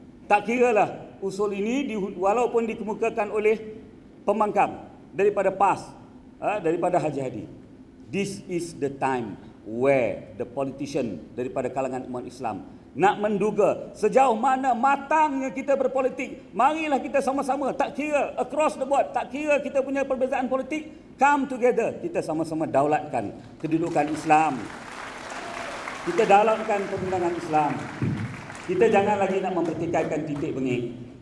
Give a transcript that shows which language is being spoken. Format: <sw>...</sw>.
<ms>Tak kiralah usul ini walaupun dikemukakan oleh pemangkam daripada PAS, daripada Haji Hadi.</ms> <en>This is the time where the politician</en> <ms>daripada kalangan umat Islam nak menduga sejauh mana matangnya kita berpolitik. Marilah kita sama-sama, tak kira</ms> <en>across the board,</en> <ms>tak kira kita punya perbezaan politik,</ms> <en>come together,</en> <ms>kita sama-sama daulatkan kedudukan Islam. Kita daulatkan perundangan Islam. Kita jangan lagi nak mempertikaikan titik bengik.</ms>